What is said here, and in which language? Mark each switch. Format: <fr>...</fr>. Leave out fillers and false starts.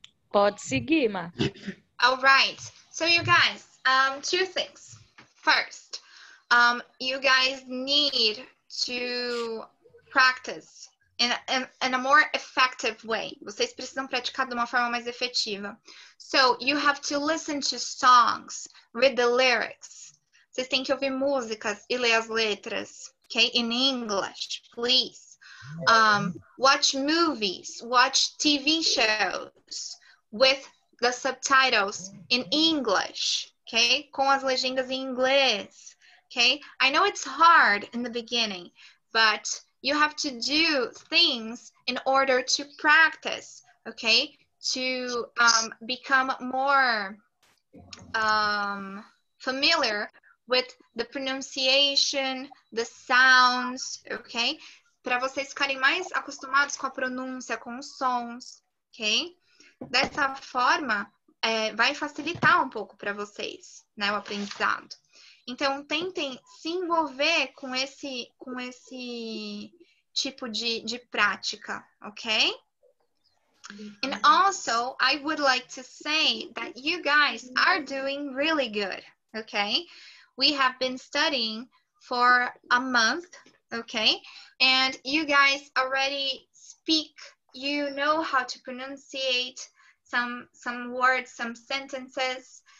<pt>Pode seguir, Ma.</pt> <en>All right. So you guys, two things. First, you guys need to practice in a more effective way.</en> <pt>Vocês precisam praticar de uma forma mais efetiva.</pt> <en>So you have to listen to songs, read the lyrics.</en> <pt>Vocês têm que ouvir músicas e ler as letras, okay?</pt> <en>In English, please. Watch movies, watch TV shows with the subtitles in English, okay?</en> <pt>Com as legendas em inglês, okay?</pt> <en>I know it's hard in the beginning, but you have to do things in order to practice, okay? To become more familiar with the pronunciation, the sounds, okay?</en> <pt>Para vocês ficarem mais acostumados com a pronúncia, com os sons, ok? Dessa forma, vai facilitar um pouco para vocês, né, o aprendizado. Então, tentem se envolver com esse tipo de prática, ok?</pt> <en>And also, I would like to say that you guys are doing really good, ok? We have been studying for a month. Okay, and you guys already speak, you know how to pronunciate some words, some sentences.</en>